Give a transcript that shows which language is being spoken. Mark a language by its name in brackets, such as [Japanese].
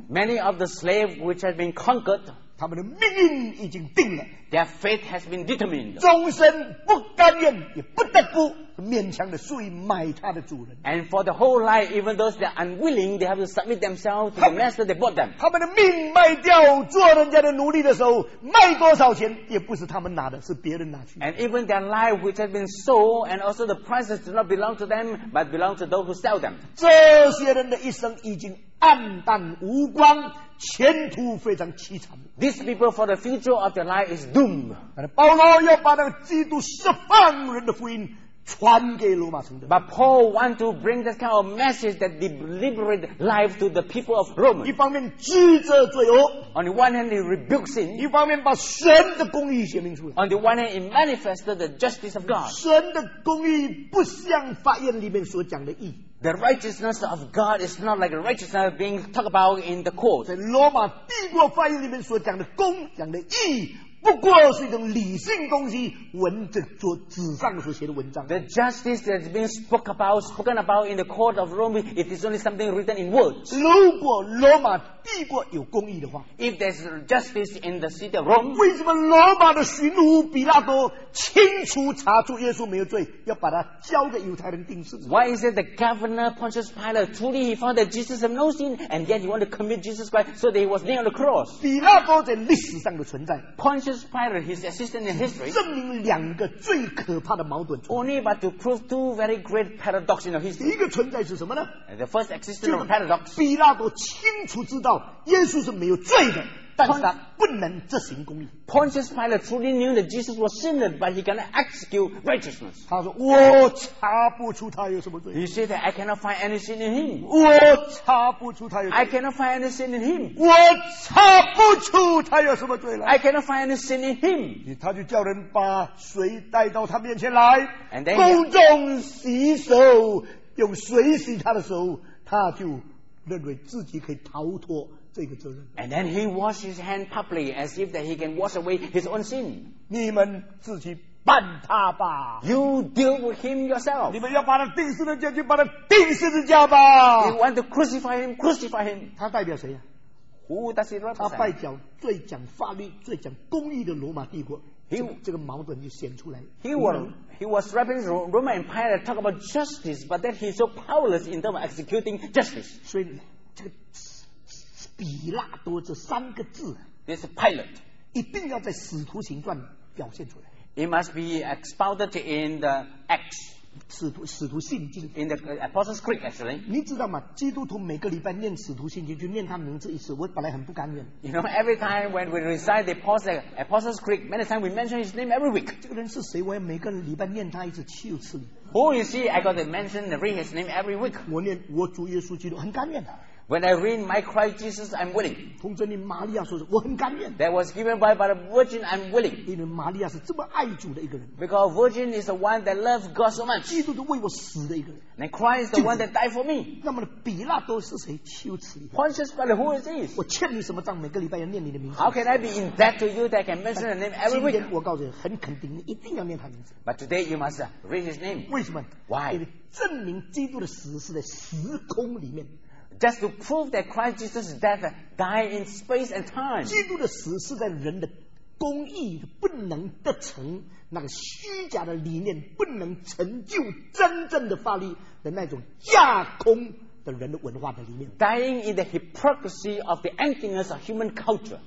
[English] Many of the slaves which have been conquered [Chinese] 他们的命运已经定了 [English] Their fate has been determined. [Chinese] 终身不甘愿也不得不勉强的属于买他的主人 [English] And for the whole life even those that are unwilling they have to submit themselves to the master that bought them. [Chinese] 他们的命卖掉做人家的奴隶的时候卖多少钱也不是他们拿的是别人拿去 [English] And even their life which has been sold and also the prices do not belong to them but belong to those who sell them. [Chinese] 这些人的一生已经暗淡无光前途非常凄惨 [English] These people for the future of their life is doomed [Chinese] 保罗要把那个基督释放人的福音传给罗马城的。 [English] But Paul want to bring this kind of message that liberate life to the people of Rome. [Chinese] 一方面指责罪恶。 [English] On the one hand, he rebukes sin. [Chinese] 一方面把神的公义显明出来。 [English] On the one hand, he manifested the justice of God. [Chinese] 神的公义不像法院里面所讲的义。 [English] The righteousness of God is not like the righteousness being talked about in the court. [Chinese] 在罗马帝国法院里面所讲的公，讲的义。不过是一种理性东西，文字做纸上所写的文章。 [English] The justice that's been spoken about in the court of Rome, it is only something written in words. [Chinese] 如果罗马帝国有公义的话 [English] ，If there's justice in the city of Rome, [Chinese] 为什么罗马的巡抚比拉多清楚查出耶稣没有罪，要把他交给犹太人定死 [English] ？Why is it the governor Pontius Pilate truly he found that Jesus had no sin and yet he wanted to commit Jesus Christ so that he was nailed on the cross? [Chinese] 比拉多在历史上的存在。 [English] Pontius Pilate, his assistant in history, [Chinese] 证明两个最可怕的矛盾。 [English] Only but to prove two very great paradoxes in history. [Chinese] 一个存在是什么呢 [English] ？The first existence of paradox. [Chinese] 比拉多清楚知道耶稣是没有罪的，但他不能执行公义。 [English] Pontius Pilate truly knew that Jesus was sinner, but he cannot execute righteousness. [Chinese] 他说我查不出他有什么罪。 [English] He said that I cannot find any sin in him. [Chinese] 我查不出他有。 [English] I cannot find any sin in him. [Chinese] 我查不出他有什么罪来。 [English] I cannot find any sin in him. [Chinese] 他就叫人把水带到他面前来，公众洗手，用水洗他的手，他就认为自己可以逃脱。 [English] And then he washed his hand publicly as if that he can wash away his own sin. [Chinese] 你们自己办他吧。 [English] You deal with him yourself. [Chinese] 你们要把他钉十字架，就把他钉十字架吧。 [English] You want to crucify him, crucify him. [Chinese] 他代表谁呀？ [English] Who does he represent? [Chinese] 他代表最讲法律、最讲公义的罗马帝国。这个矛盾就显出来。 [English] He was representing the Roman Empire to talk about justice, but then he's so powerless in terms of executing justice. [Chinese] 所以这个。比拉多这三个字 [English] This pilot [Chinese] 一定要在使徒行传表现出来 [English] It must be expounded in the Acts [Chinese] 使徒信经 [English] In the Apostles' Creed actually [Chinese] 你知道吗基督徒每个礼拜念使徒信经就念他名字一次我本来很不甘愿 [English] You know every time when we recite the Apostles' Creed many times we mention his name every week [Chinese] 这个人是谁我要每个礼拜念他一次七次 [English] Who you see I got to mention and read his name every week [Chinese] 我念我主耶稣基督很甘愿的 [English] When I read my Christ Jesus, I'm willing. [Chinese] 同着你玛利亚说的，我很甘愿。 [English] That was given by the Virgin, I'm willing. [Chinese] 因为玛利亚是这么爱主的一个人。 [English] Because Virgin is the one that loves God so much. [Chinese] 基督都为我死的一个人。 [English] And Christ is the one that died for me. [Chinese] 那么比拉多是谁？羞耻。 [English] Pontius Pilate, who is this? [Chinese] 我欠你什么账？每个礼拜要念你的名字。 [English] How can I be in debt to you that I can mention your name every week? [Chinese] 今天我告诉你，很肯定，你一定要念他名字。 [English] But today you must read his name. [Chinese] 为什么 [English] ？Why? [Chinese] 因为证明基督的死是在时空里面。 [English] Just to prove that Christ Jesus' death died in space and time. [Chinese] 基督的死是在人的公义不能得成那个虚假的理念不能成就真正的法律的那种架空的人的文化的里面。 [English] Dying in the hypocrisy of the emptiness of human culture.